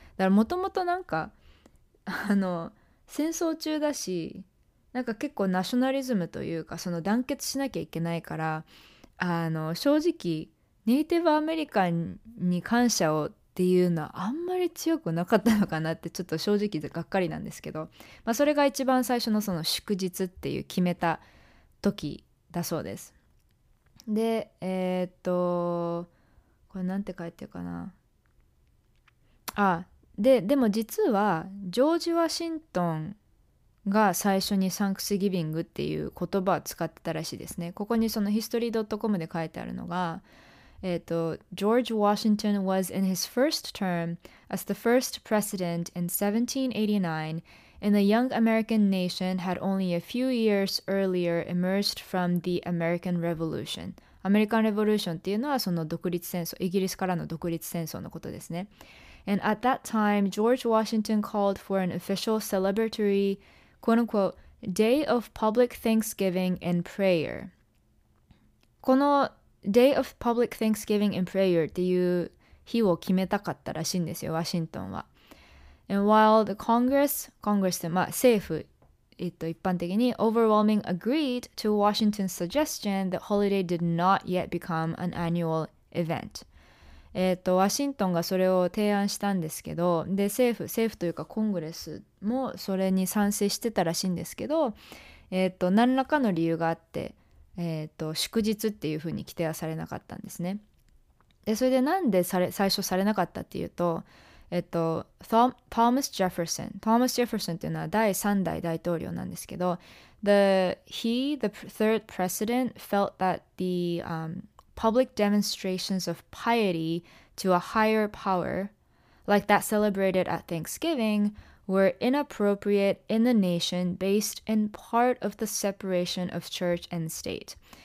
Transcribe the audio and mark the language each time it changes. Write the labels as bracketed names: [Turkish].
[Japanese] だからもともとなんか戦争中だし、なんか結構ナショナリズムというか、その団結しなきゃいけないから、正直ネイティブアメリカンに感謝をっていうのはあんまり強くなかったのかなって、ちょっと正直でがっかりなんですけど、まあ、それが一番最初のその祝日っていう決めた時だそうです。で、これなんて書いてるかな。でも実はジョージ・ワシントンが最初にサンクスギビングっていう言葉を使ってたらしいですね。ここにそのヒストリー .com で書いてあるのが、 [English] George Washington was in his first term as the first president in 1789, and the young American nation had only a few years earlier emerged from the American Revolution. [Japanese] アメリカンレボリューションっていうのはその独立戦争、イギリスからの独立戦争のことですね。 [English] And at that time, George Washington called for an official celebratory, quote unquote, day of public thanksgiving and prayer. [Japanese] この Day of Public Thanksgiving and Prayer っていう日を決めたかったらしいんですよ、ワシントンは。 [English] And while the Congress [Japanese] ってまあ政府、一般的に [English] overwhelming agreed to Washington's suggestion that holiday did not yet become an annual event。 [Japanese] ワシントンがそれを提案したんですけど、で政府というかコングレスもそれに賛成してたらしいんですけど、何らかの理由があって、祝日っていうふうに規定はされなかったんですね。 [English] でそれでなんで最初されなかったっていうと、 [Japanese] トーマス・ジェファソンっていうのは第3代大統領なんですけど、 [English] the third president felt that the public demonstrations of piety to a higher power like that celebrated at Thanksgiving were inappropriate in the nation based in part of the separation of church and state。